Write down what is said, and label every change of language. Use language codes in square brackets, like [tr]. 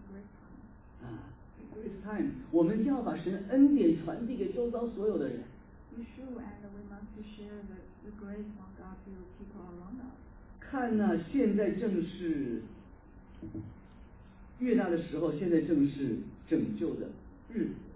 [en] People often don't understand right now is a great time. [zh] 我们要把神恩典传递给周遭所有的人。 [en] We should and we must share the grace of God to people around us. [zh] 看呐、啊，现在正是悦纳的时候，现在正是拯救的日子。